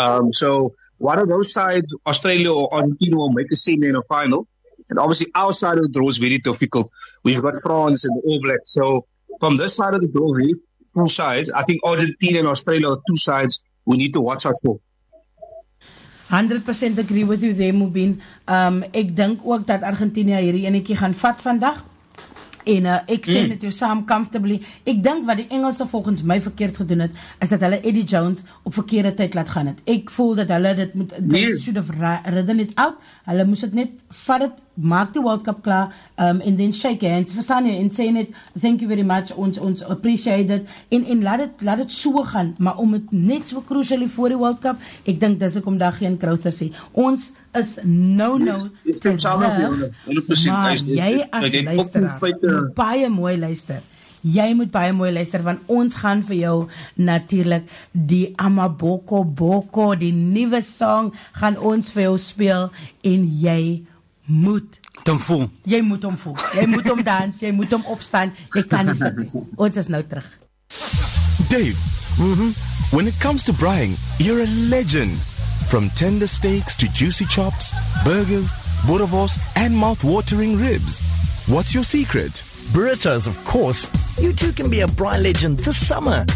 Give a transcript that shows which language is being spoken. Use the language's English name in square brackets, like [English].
[English] So one of those sides, Australia or Argentina, will make a semi in a final. And obviously our side of the draw is very difficult. We've got France and the All Blacks. So from this side of the draw, really, two sides. I think Argentina and Australia are two sides we need to watch out for. 100% agree with you there, Mubin. [Afrikaans] Ek dink ook dat Argentina hierdie enetjie gaan vat vandag. En ek stem met jou saam comfortably. Ek dink wat die Engelse volgens my verkeerd gedoen het, is dat hulle Eddie Jones op verkeerde tyd laat gaan het. Ek voel dat hulle dit moet, [English] should have ridden it out. [Afrikaans] Hulle moes het net, vat het, maak die World Cup klaar, [English] and then shake hands, [Afrikaans] verstaan jy, en sê net, [English] thank you very much, [Afrikaans] ons appreciate it, en laat het so gaan, maar om het net so crucially voor die World Cup, ek dink, dis ek om daar geen crowther sê. Ons is nou terug, maar jy as luisteraar, jy moet baie mooi luister, want ons gaan vir jou natuurlijk die Amaboko Boko, die nieuwe song, gaan ons vir jou speel, en jy moet hom voel. Jy moet hom voel. Jy moet hom dans, jy moet hom opstaan. Jy kan nie sit nie. Ons is nou terug. [English] Dave, when it comes to braaiing, you're a legend. From tender steaks to juicy chops, burgers, boerewors, and mouth-watering ribs. What's your secret? Burritos, of course. You too can be a braai legend this summer.